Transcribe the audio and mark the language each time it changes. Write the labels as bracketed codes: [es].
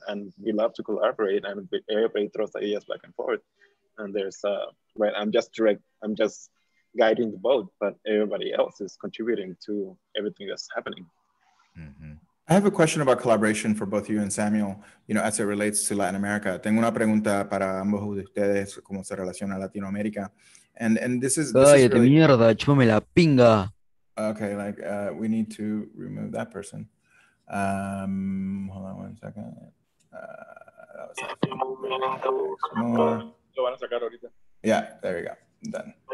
[en] And we love to collaborate and everybody throws ideas back and forth. And there's, I'm just guiding the boat, but everybody else is contributing to everything that's happening. Mm-hmm. I have a question about collaboration for both you and Samuel, you know, as it relates to Latin America. [es] Tengo una pregunta para ambos de ustedes, cómo se relaciona Latinoamérica. [en] And this is... [es] ¡Ay, de mierda! ¡Chúpame la pinga! [en] Okay, like, we need to remove that person. Hold on one second. That was... [es] Lo van a sacar ahorita. [en] Yeah, there we go. Done.